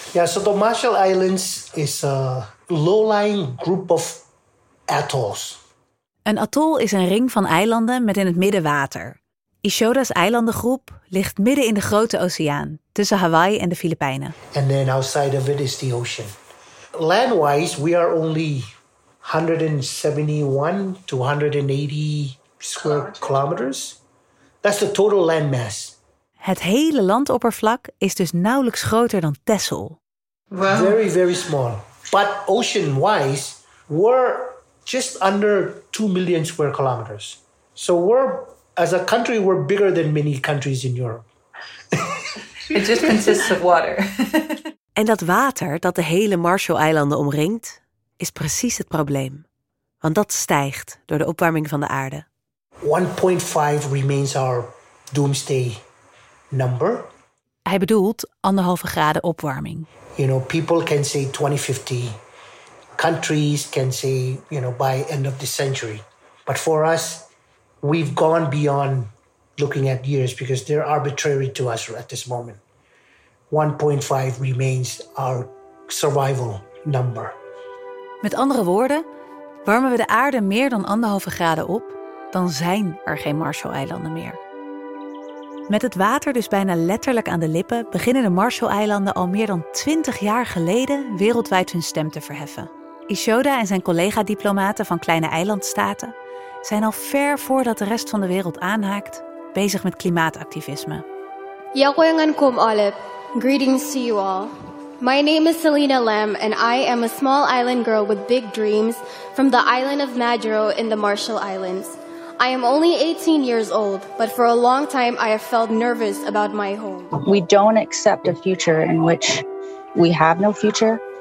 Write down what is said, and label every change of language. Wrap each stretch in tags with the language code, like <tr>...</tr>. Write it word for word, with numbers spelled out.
<en>Ja, so the Marshall Islands is a low-lying group of atolls.</en> <nl>Een atol is een ring van eilanden met in het midden water. Ishoda's eilandengroep ligt midden in de grote oceaan, tussen Hawaii en de Filipijnen.</nl> <en>And then outside of it is the ocean. Landwise, we are only</en> <nl>honderdzevenenzeventig</nl> <en>to</en> <nl>honderdtachtig</nl> <en>square kilometers. That's the total landmass.</en> <nl>Het hele landoppervlak is dus nauwelijks groter dan Texel.</nl> <en>Wow. Very, very small. But ocean-wise, we're just under two million square kilometers. So we're, as a country, we're bigger than many countries in Europe. It just consists of water.</en> <nl>En dat water dat de hele Marshall-eilanden omringt, is precies het probleem. Want dat stijgt door de opwarming van de aarde. één komma vijf</nl> <en>remains our doomsday number.</en> <nl>Hij bedoelt anderhalve graden opwarming.</nl> <en>You know, people can say</en> <nl>twintig vijftig.</nl> <en>Countries can say, you know, by end of the century. But for us, we've gone beyond looking at years because they're arbitrary to us at this moment.</en> <nl>één komma vijf</nl> <en>remains our survival number.</en> <nl>Met andere woorden, warmen we de aarde meer dan anderhalve graden op, dan zijn er geen Marshall-eilanden meer. Met het water dus bijna letterlijk aan de lippen beginnen de Marshall-eilanden al meer dan twintig jaar geleden wereldwijd hun stem te verheffen. Ishoda en zijn collega-diplomaten van kleine eilandstaten zijn al ver voordat de rest van de wereld aanhaakt bezig met klimaatactivisme.</nl> <mh>Kom Alep.</mh> <en>Greetings to you all. My name is Selena Lam and I am a small island girl with big dreams from the island of Majuro in the Marshall Islands. I am only eighteen years old, but for a long time I have felt nervous about my home. We don't accept a future in which we have no future.</en>